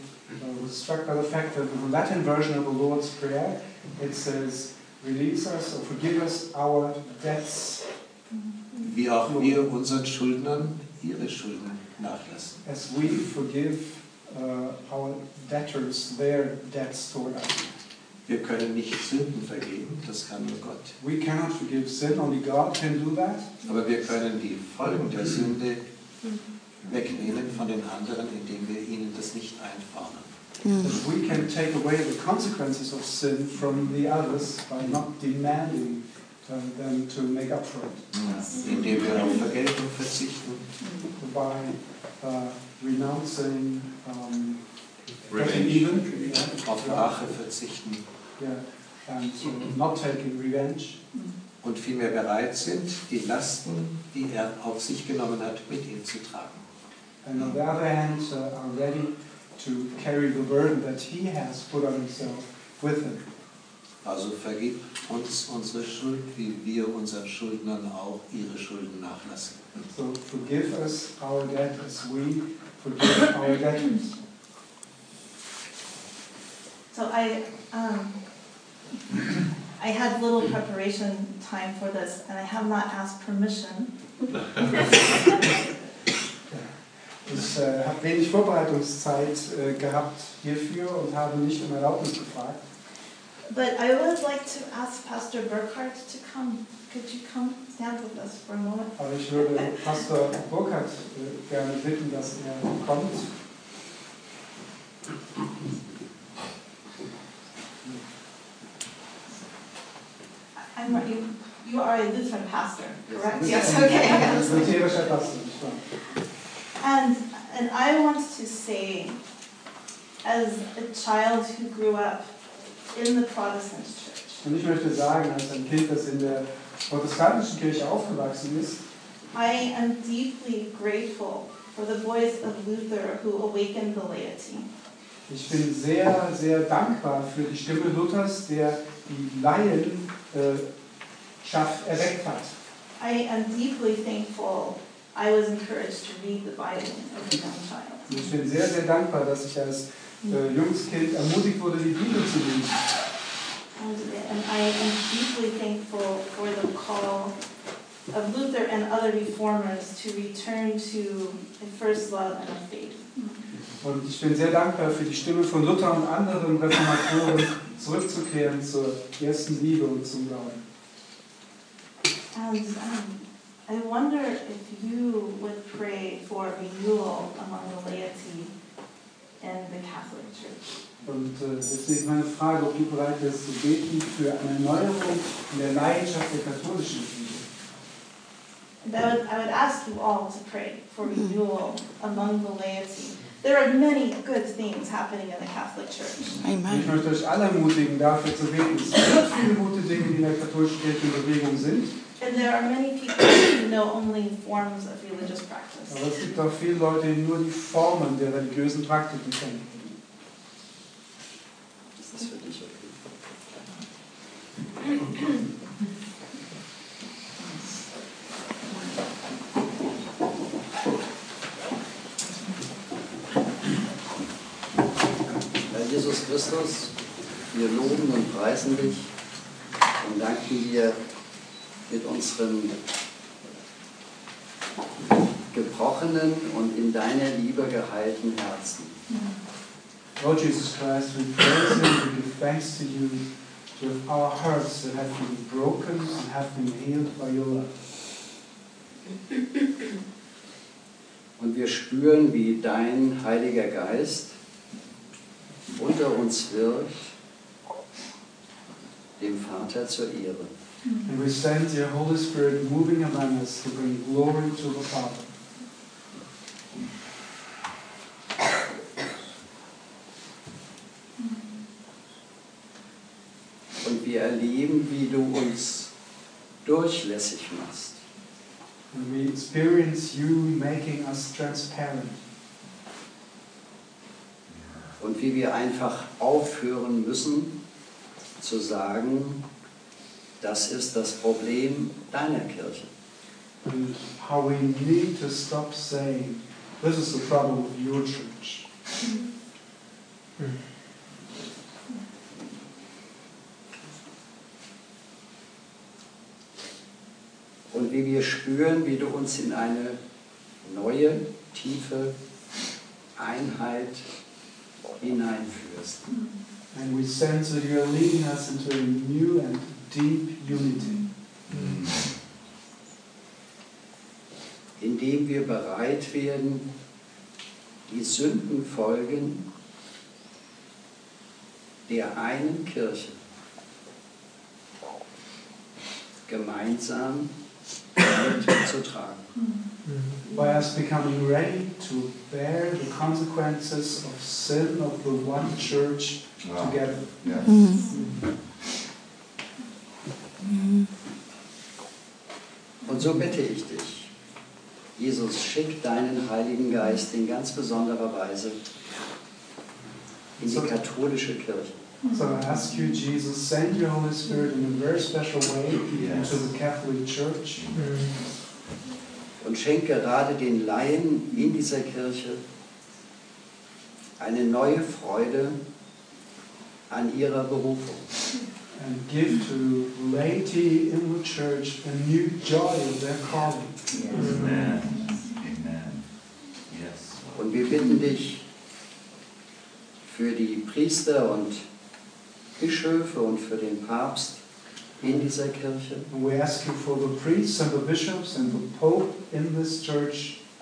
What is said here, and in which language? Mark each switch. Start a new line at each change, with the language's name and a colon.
English: I was struck by the fact that in the Latin version of the Lord's Prayer, it says, release us or forgive us our debts.
German: Wie auch wir unseren Schuldnern ihre Schulden nachlassen.
English: As we forgive our debtors their debts toward us.
German: Wir können nicht Sünden vergeben, das kann nur Gott.
English: We cannot forgive sin, only God can do that.
German: Aber wir können die Folgen der Sünde wegnehmen von den anderen, indem wir ihnen das nicht einfordern.
English: But we can take away the consequences of sin from the others by not demanding them to make up for it. Yes.
German: Indem wir auf Vergeltung verzichten.
English: By renouncing, revenge, even, yeah.
German: Auf Rache verzichten.
English: Yeah. And not taking revenge.
German: Und vielmehr bereit sind, die Lasten, die er auf sich genommen hat, mit ihm zu tragen.
English: And on the other hand, are ready to carry the burden that he has put on himself with him.
German: Also vergib uns unsere Schuld, wie wir unseren Schuldnern auch ihre Schulden nachlassen.
English: So forgive us our debt as we forgive our debtors. So I had little preparation time for this, and I have not asked permission.
German: Ich habe wenig Vorbereitungszeit gehabt hierfür und habe nicht um Erlaubnis gefragt.
English: But I would like to ask Pastor Burkhardt to come. Could you come stand with us for a moment?
German: Aber ich würde Pastor Burkhardt gerne bitten, dass er kommt.
English: I'm not you. You are a Lutheran pastor, correct? Yes, okay.
German: Ein lutherischer Pastor, ich war.
English: And I want to say, as a child who grew up in the Protestant Church.
German: Und ich möchte sagen, als ein Kind, das in der protestantischen Kirche aufgewachsen ist.
English: I am deeply grateful for the voice of Luther who awakened the laity.
German: Ich bin sehr, sehr dankbar für die Stimme Luthers, der die Laienschaft erweckt hat.
English: I am deeply thankful. I was encouraged to read the Bible as a young child.
German: Ich bin sehr, sehr dankbar, dass ich als Jungskind ermutigt wurde, die Bibel zu lesen.
English: And I am deeply thankful for the call of Luther and other reformers to return to a first love and a faith.
German: Und ich bin sehr dankbar für die Stimme von Luther und anderen Reformatoren, zurückzukehren zur ersten Liebe und zum Glauben.
English: I wonder if you would pray for renewal among the laity in the Catholic Church.
German: Und deswegen meine Frage, ob du bereit bist zu beten für eine Erneuerung in der Laienschaft der katholischen Kirche.
English: I would ask you all to pray for renewal among the laity. There are many good things happening in the Catholic Church. Amen.
German: Ich möchte euch alle ermutigen, dafür zu beten. Es gibt viele gute Dinge, die in der katholischen Kirche in Bewegung sind.
English: And there are many people who know only forms of religious practice.
German: Aber es gibt auch viele Leute, die nur die Formen der religiösen Praktiken kennen. Das ist für dich okay. Herr Jesus Christus, wir loben und preisen dich und danken dir mit unserem gebrochenen und in deiner Liebe geheilten Herzen.
English: Lord Jesus Christ, we praise you, we give thanks to you, to have our hearts that have been broken and have been healed by your love.
German: Und wir spüren, wie dein Heiliger Geist unter uns wirkt, dem Vater zur Ehre.
English: And we sense your Holy Spirit moving among us to bring glory to the Father.
German: Und wir erleben, wie du uns durchlässig machst.
English: And we experience you making us transparent.
German: Und wie wir einfach aufhören müssen zu sagen, das ist das Problem deiner Kirche.
English: And how we need to stop saying, this is the problem of your church.
German: Und wie wir spüren, wie du uns in eine neue, tiefe Einheit hineinführst.
English: And we sense that you are leading us into a new and deep unity.
German: Indem wir bereit werden, die Sündenfolgen der einen Kirche gemeinsam mitzutragen.
English: By us becoming ready to bear the consequences of sin of the one church together. Yes.
German: Und so bitte ich dich, Jesus, schick deinen Heiligen Geist in ganz besonderer Weise in die katholische Kirche.
English: So I ask you, Jesus, send your Holy Spirit in a very special way into the Catholic Church.
German: Und schenk gerade den Laien in dieser Kirche eine neue Freude an ihrer Berufung.
English: And give to laity in the church a new joy of their calling. Yes. Amen. Amen. Yes.
German: Und wir bitten dich für die Priester und Bischöfe und für den Papst in dieser Kirche.
English: And we ask you for the priests and the bishops and the Pope in this church,